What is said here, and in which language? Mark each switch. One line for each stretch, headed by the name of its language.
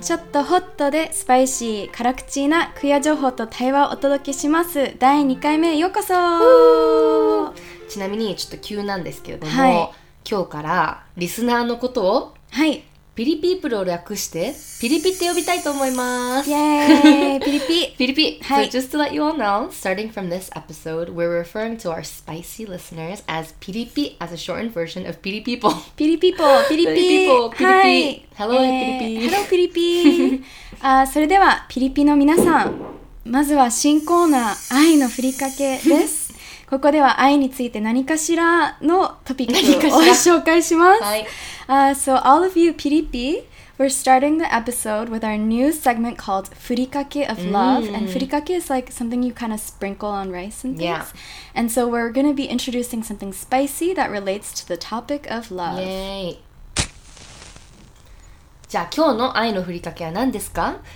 Japanese: ちょっとホットでスパイシー、辛口なクイア情報と対話をお届けします。第2回目へようこそ! ちなみにちょっと急なんですけれども、はい、今日からリスナーのことをはい。ピリピープルを略してピリピって呼びたいと思います。イエーイ、ピリピ。ピリピ。
English: はい。So just to let you all know, starting from this episode, we're referring to our spicy listeners as ピリピ, as a shortened version of ピリピーポー。
Japanese: ピリピーポー、ピリピー。ピリピーポー、ピリピー。はい。Hello, ピリピー。
English: Hello, ピリピー。
Japanese: それではピリピの皆さん、まずは新コーナー愛のふりかけです。ここでは愛について何かしらのトピックを紹介します。はい。
English: So all of you Piripi, we're starting the episode with our new segment called Furikake of Love. And Furikake is like something you kind of sprinkle on rice and things. Yeah. And so we're going to be introducing something spicy that relates to the topic of love. Yay!
Japanese: じゃあ今日の愛のふりかけは何ですか?